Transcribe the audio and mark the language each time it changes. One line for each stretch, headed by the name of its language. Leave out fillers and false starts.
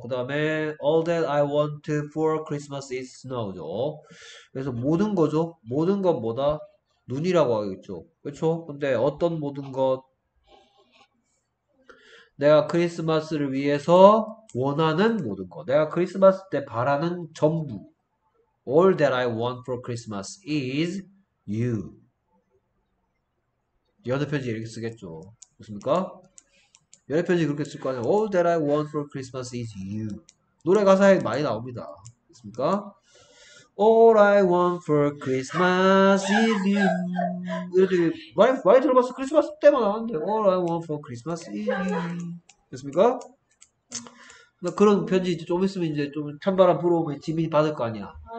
English: 그 다음에 All that I want for Christmas is snow죠.
Korean: 그래서 모든 거죠. 모든 것 뭐다? 눈이라고 하겠죠. 그렇죠. 근데 어떤 모든 것? 내가 크리스마스를 위해서 원하는 모든 것. 내가 크리스마스 때 바라는 전부.
English: All that I want for Christmas is you.
Korean: 연애편지 이렇게 쓰겠죠. 그렇습니까? 연애편지 그렇게 쓸거 아니야.
English: All that I want for Christmas is you.
Korean: 노래 가사에 많이 나옵니다.
English: 그렇습니까? All I want for Christmas is you.
Korean: 이렇게 많이 들어봤어. 크리스마스 때만 나왔는데.
English: All I want for Christmas is you. 그렇습니까?
Korean: 나 그런 편지 이제 좀 있으면 이제 좀 찬바람 불어오면 지민이 받을 거 아니야.